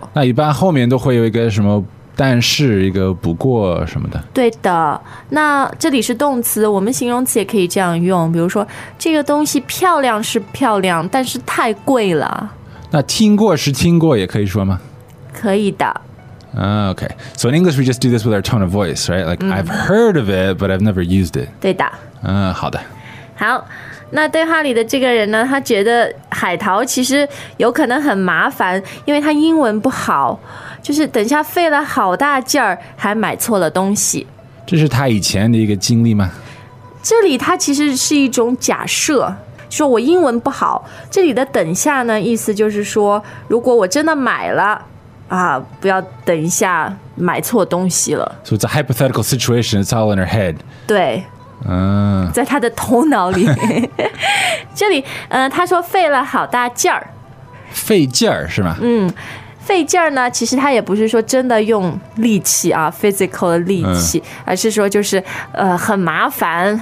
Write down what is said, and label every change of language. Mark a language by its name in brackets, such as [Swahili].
[Chinese] 啊，那一般后面都会有一个什么但是，一个不过什么的。对的，那这里是动词，我们形容词也可以这样用，比如说这个东西漂亮是漂亮，但是太贵了。那听过是听过也可以说吗？可以的。 [English] Okay, so in English we just do this with our tone of voice, right? Like, I've heard of it, but I've never used it. [Chinese] 对的。好的。好，那对话里的这个人呢，他觉得海淘其实有可能很麻烦，因为他英文不好，就是等下费了好大劲儿，还买错了东西。这是他以前的一个经历吗？这里他其实是一种假设，说我英文不好，这里的等下呢，意思就是说，如果我真的买了，啊，不要等一下买错东西了。 [English] So it's a hypothetical situation, it's all in her head. [Chinese] 对。在他的头脑里这里他说费了好大劲儿，费劲儿是吗？嗯，费劲儿呢，其实他也不是说真的用力气啊 physical 的力气，而是说就是很麻烦